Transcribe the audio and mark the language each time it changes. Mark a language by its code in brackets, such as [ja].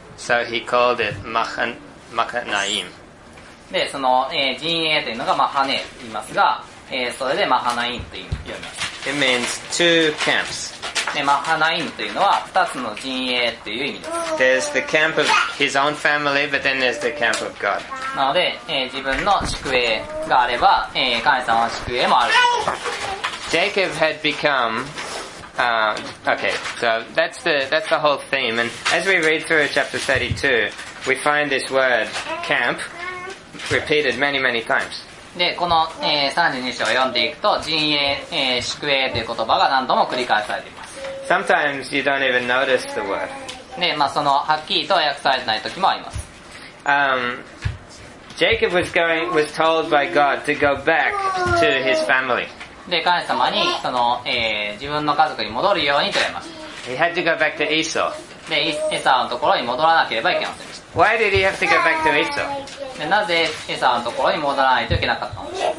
[en] So he called it Machanaim. [ja] で、その、陣営というのがマハネと言いますが、それでマハナインと言います。 [en] It means two camps. [ja] でマハナインというのは二つの陣営という意味です。 [en] There's the camp of his own family, but then there's the camp of God. [ja] なので、自分の宿営があれば、神様の宿営もある。 [en] Jacob had become, okay, so that's the whole theme. And as we read through chapter 32, we find this word camp repeated many, many times. [ja] で、この、32章を読んでいくと、陣営、宿営という言葉が何度も繰り返されています。 [en] Sometimes you don't even notice the word. [ja] で、まあ、その、はっきりと訳されてない時もあります。 [en] Jacob was told by God to go back to his family. [ja] で、神様に、その、自分の家族に戻るようにと言われます。 [en] He had to go back to Esau. [ja] で、エサのところに戻らなければいけません。 [en] Why did he have to go back to Esau? [ja] なぜエサのところに戻らないといけなかったの?